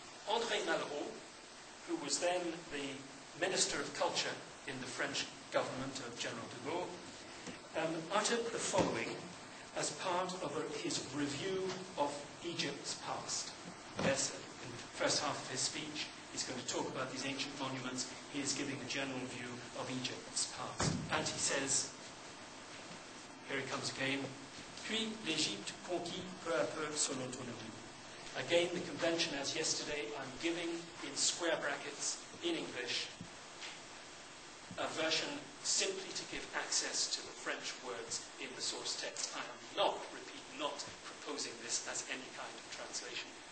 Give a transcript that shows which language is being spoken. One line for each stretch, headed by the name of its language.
English: André Malraux, who was then the Minister of Culture in the French government of General de Gaulle, uttered the following as part of his review of Egypt's past. Yes, in the first half of his speech, he's going to talk about these ancient monuments. He is giving a general view of Egypt's past. And he says, here he comes again,
French: puis l'Égypte conquit peu à peu son autonomie.
English: Again, the convention as yesterday, I'm giving in square brackets in English a version simply to give access to the French words in the source text. I am not proposing this as any kind of translation.